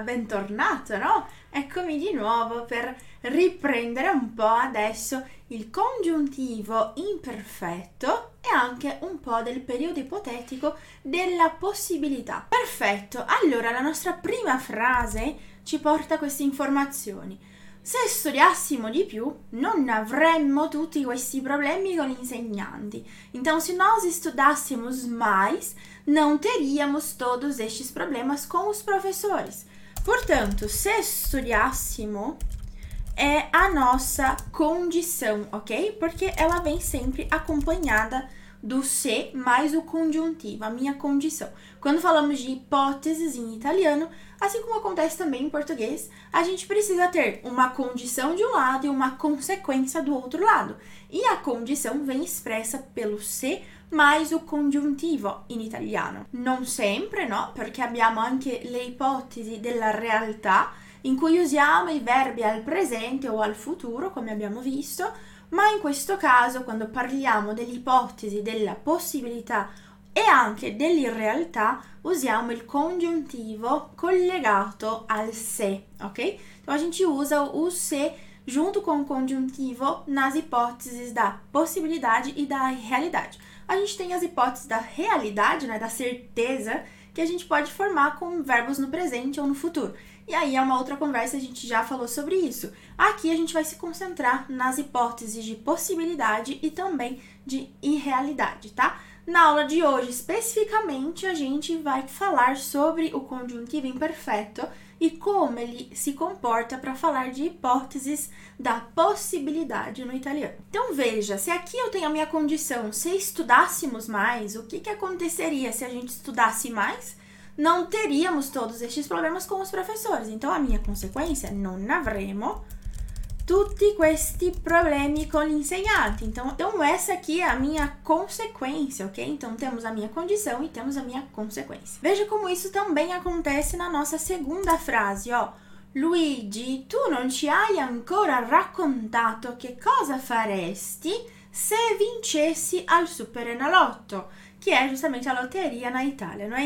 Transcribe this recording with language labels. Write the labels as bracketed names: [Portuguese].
[Italian] Bentornato, no? Eccomi di nuovo per riprendere un po' adesso il congiuntivo imperfetto e anche un po' del periodo ipotetico della possibilità. Perfetto, allora la nostra prima frase ci porta queste informazioni. Se studiassimo di più, non avremmo tutti questi problemi con gli insegnanti. [Portuguese] Então, se nós estudássemos mais, não teríamos todos estes problemas com os professores. Portanto, se studiássimo é a nossa condição, ok? Porque ela vem sempre acompanhada do se mais o conjuntivo, a minha condição. Quando falamos de hipóteses em italiano, assim como acontece também em português, a gente precisa ter uma condição de um lado e uma consequência do outro lado. E a condição vem expressa pelo se mais o congiuntivo in italiano. [Italian] Non sempre, no? Perché abbiamo anche le ipotesi della realtà in cui usiamo i verbi al presente o al futuro, come abbiamo visto, ma in questo caso, quando parliamo dell'ipotesi, della possibilità e anche dell'irrealtà, usiamo il congiuntivo collegato al se, ok? [Portuguese] Então, a gente usa o se junto com o congiuntivo nas ipóteses da possibilidade e da realidade. A gente tem as hipóteses da realidade, né, da certeza, que a gente pode formar com verbos no presente ou no futuro. E aí é uma outra conversa, a gente já falou sobre isso. Aqui a gente vai se concentrar nas hipóteses de possibilidade e também de irrealidade, tá? Na aula de hoje, especificamente, a gente vai falar sobre o conjuntivo imperfeito e como ele se comporta para falar de hipóteses da possibilidade no italiano. Então, veja, se aqui eu tenho a minha condição, se estudássemos mais, o que que aconteceria se a gente estudasse mais? Não teríamos todos estes problemas com os professores. Então, a minha consequência, [Italian] non avremo tutti questi problemi con l'insegnante. [Portuguese] Então, essa aqui é a minha consequência, ok? Então, temos a minha condição e temos a minha consequência. Veja como isso também acontece na nossa segunda frase, ó. [Italian] Luigi, tu non ci hai ancora raccontato che cosa faresti se vincessi al Superenalotto, [Portuguese] que é justamente a loteria na Itália, não é?